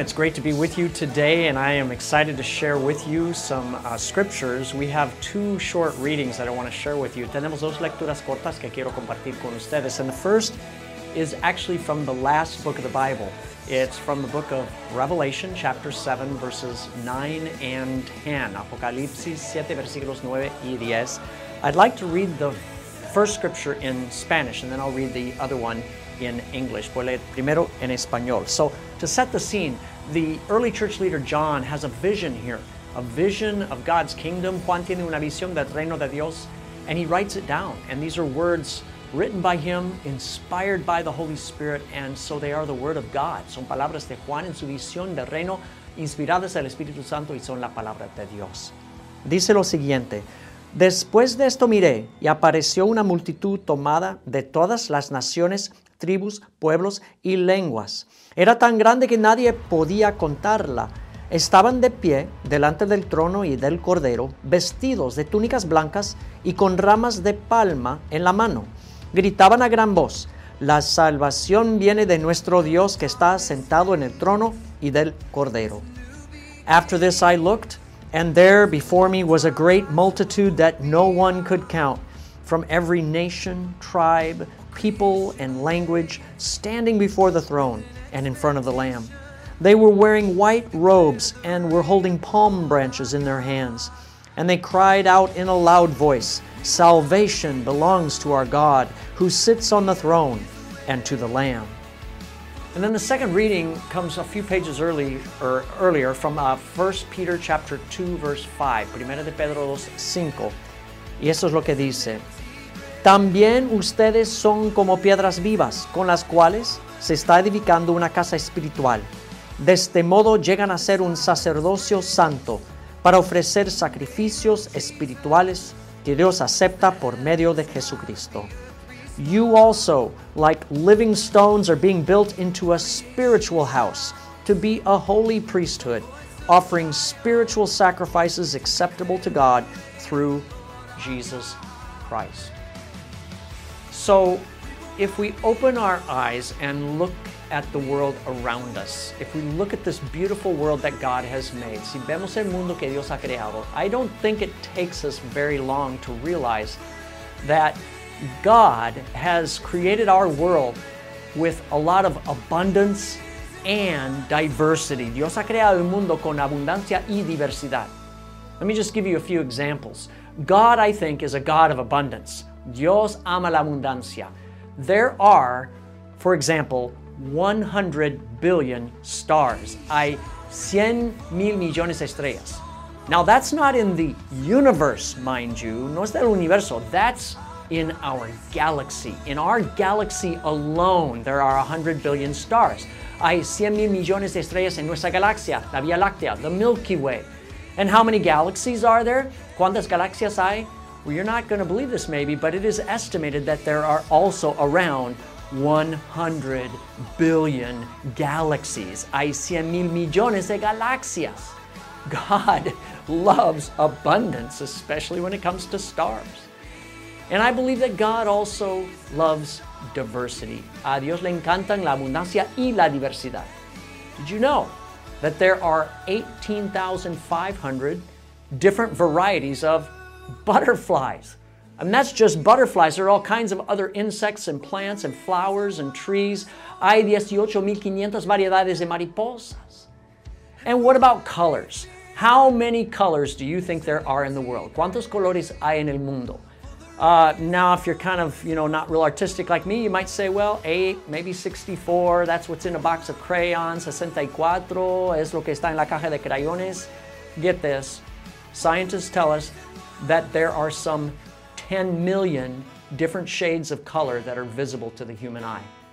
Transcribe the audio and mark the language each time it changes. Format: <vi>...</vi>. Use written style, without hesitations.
<en>It's great to be with you today, and I am excited to share with you some scriptures. We have two short readings that I want to share with you.</en> <es>Tenemos dos lecturas cortas que quiero compartir con ustedes.</es> <en>And the first is actually from the last book of the Bible. It's from the book of Revelation, chapter 7, verses 9 and 10.</en> <es>Apocalipsis 7, versículos 9 y 10.</es> <en>I'd like to read the first scripture in Spanish, and then I'll read the other one in English.</en> <es>Voy a leer primero en español.</es> <en>So, to set the scene, the early church leader John has a vision here, a vision of God's kingdom.</en> <es>Juan tiene una visión del reino de Dios,</es> <en>and he writes it down. And these are words written by him, inspired by the Holy Spirit, and so they are the word of God.</en> <es>Son palabras de Juan en su visión del reino, inspiradas del Espíritu Santo, y son la palabra de Dios. Dice lo siguiente: Después de esto miré, y apareció una multitud tomada de todas las naciones, tribus, pueblos y lenguas. Era tan grande que nadie podía contarla. Estaban de pie delante del trono y del cordero, vestidos de túnicas blancas y con ramas de palma en la mano. Gritaban a gran voz, la salvación viene de nuestro Dios que está sentado en el trono y del cordero.</es> <en>After this I looked, and there before me was a great multitude that no one could count, from every nation, tribe, people and language, standing before the throne and in front of the Lamb. They were wearing white robes and were holding palm branches in their hands. And they cried out in a loud voice, Salvation belongs to our God who sits on the throne and to the Lamb. And then the second reading comes a few pages earlier from 1 Peter chapter 2, verse 5.</en> <es>Primera de Pedro 2, 5. Y eso es lo que dice. También ustedes son como piedras vivas, con las cuales se está edificando una casa espiritual. De este modo llegan a ser un sacerdocio santo para ofrecer sacrificios espirituales que Dios acepta por medio de Jesucristo.</es> <en>You also, like living stones, are being built into a spiritual house to be a holy priesthood, offering spiritual sacrifices acceptable to God through Jesus Christ. So, if we open our eyes and look at the world around us, if we look at this beautiful world that God has made,</en> <es>si vemos el mundo que Dios ha creado,</es> <en>I don't think it takes us very long to realize that God has created our world with a lot of abundance and diversity.</en> <es>Dios ha creado el mundo con abundancia y diversidad.</es> <en>Let me just give you a few examples. God, I think, is a God of abundance.</en> <es>Dios ama la abundancia.</es> <en>There are, for example, 100 billion stars.</en> <es>Hay 100 mil millones de estrellas.</es> <en>Now, that's not in the universe, mind you.</en> <es>No es del universo.</es> <en>That's in our galaxy. In our galaxy alone, there are 100 billion stars.</en> <es>Hay 100 mil millones de estrellas en nuestra galaxia, la Vía Láctea,</es> <en>the Milky Way. And how many galaxies are there?</en> <es>¿Cuántas galaxias hay?</es> <en>Well, you're not going to believe this maybe, but it is estimated that there are also around 100 billion galaxies.</en> <es>Hay 100 mil millones de galaxias.</es> <en>God loves abundance, especially when it comes to stars. And I believe that God also loves diversity.</en> <es>A Dios le encantan la abundancia y la diversidad.</es> <en>Did you know that there are 18,500 different varieties of butterflies? I mean, that's just butterflies. There are all kinds of other insects and plants and flowers and trees.</en> <es>Hay 18,500 variedades de mariposas.</es> <en>And what about colors? How many colors do you think there are in the world?</en> <es>¿Cuántos colores hay en el mundo?</es> <en>Now, if you're kind of, you know, not real artistic like me, you might say, well, 8, maybe 64. That's what's in a box of crayons.</en> <es>64 es lo que está en la caja de crayones.</es> <en>Get this. Scientists tell us that there are some 10 million different shades of color that are visible to the human eye.</en>